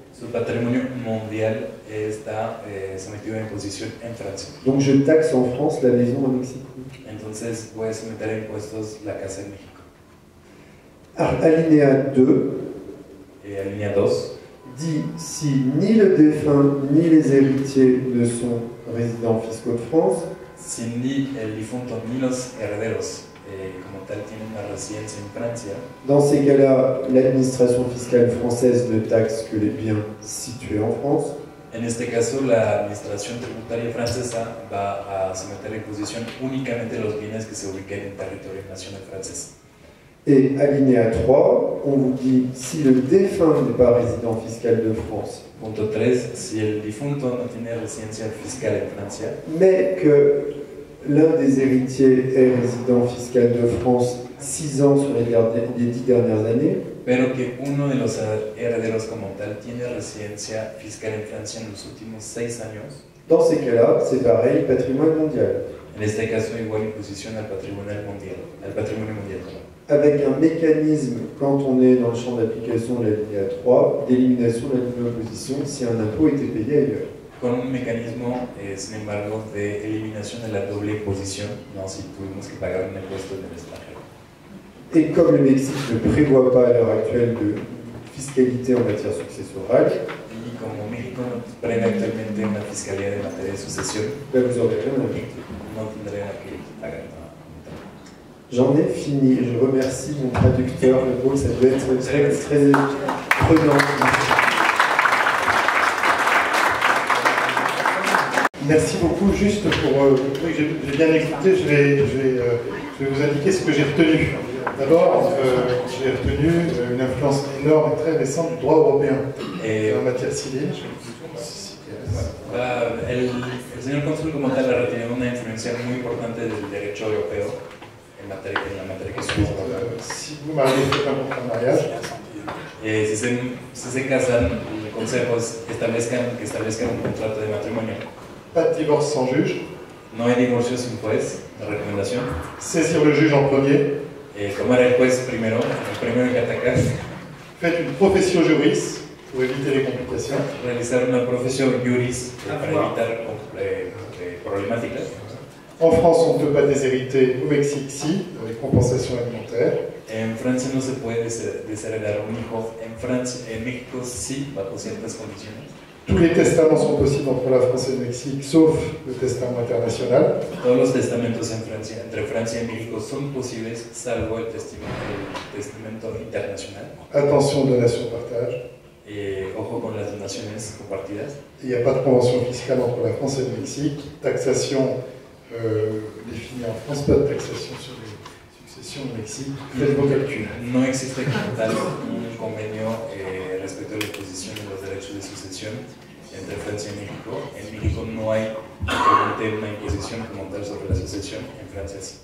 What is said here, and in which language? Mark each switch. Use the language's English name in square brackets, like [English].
[Spanish] Su patrimonio mundial está sometido a imposición en Francia. [French] Donc je taxe en France la maison au Mexique. [Spanish] Entonces voy a someter a impuestos la casa en México. [French] Alinéa 2 et alinéa 2 dit si ni le défunt ni les héritiers ne sont résidents fiscaux de France, [Spanish] si ni el difunto ni los herederos como tal tienen la residencia en Francia. [French] Dans ces cas-là, l'administration fiscale française ne taxe que les biens situés en France. [Spanish] En este caso, la administración tributaria francesa va a someter en imposición únicamente los bienes que se ubiquen en territorio nacional francés. [French] Et alinéa 3, on vous dit si le défunt n'est pas résident fiscal de France. [Spanish] Punto 3, si el difunto no tiene residencia fiscal en Francia. [French] Mais que l'un des héritiers est résident fiscal de France 6 ans sur les 10 dernières années. [Spanish] Pero que uno de los herederos como tal tiene residencia fiscal en Francia en los últimos 6 años. [French] Dans ces cas-là, c'est pareil, patrimoine mondial. [Spanish] En este caso, igual imposición al patrimonio mundial. Al patrimonio mundial. [French] Avec un mécanisme, quand on est dans le champ d'application de la ligne 3, d'élimination de la double imposition si un impôt était payé ailleurs. [Spanish] Con un mecanismo, sin embargo, de eliminación de la doble imposición, no si tuvimos que pagar un impuesto en el extranjero. Y como el México [French] no prévoit pas à l'heure actuelle de fiscalité en matière successorale, [Spanish] y como México no prevé actualmente una fiscalidad en materia de sucesión, pues no tendría que pagar nada. [French] J'en ai fini, je remercie mon traducteur, le mot, ça doit être très, très prenant. Merci beaucoup. Juste pour oui, j'ai bien écouté, je vais vous indiquer ce que j'ai retenu. D'abord, j'ai retenu une influence énorme et très récente du droit européen et en matière civile. [Spanish] El señor cónsul como tal ha retenido una influencia muy importante del derecho europeo en materia de la materia que suyo. [French] Si vous mariez, c'est un contrat de mariage. [Spanish] Et si se casan, le consejo es que establezcan un contrato de matrimonio. [French] Pas de divorce sans juge. [Spanish] No hay divorcio sin juez. La recomendación. [French] Saisir le juge en premier. [Spanish] Et tomar el juez primero. El primero que ataca. [French] Faites une profession juris pour éviter les complications. [Spanish] Realizar una profesión juris para evitar problemáticas. [French] En France, on ne peut pas déshériter. Au Mexique, si, avec compensation alimentaire. [Spanish] En France, no se puede desheredar un hijo. En France, en México, sí, bajo ciertas condiciones. [French] Tous les testaments sont possibles entre la France et le Mexique, sauf le testament international. [Spanish] Todos los testamentos en Francia, entre Francia y México, son posibles, salvo el testamento internacional. [French] Attention aux donations partage. [Spanish] Et ojo con las donaciones compartidas. [French] Il n'y a pas de convention fiscale entre la France et le Mexique. Taxation définie en France, pas de taxation sur les successions au Mexique. Faites vos calculs. [Spanish] No existe como tal un convenio respecto a la imposición de los derechos de sucesión entre Francia y México. En México no hay una imposición como tal sobre la sucesión en Francia.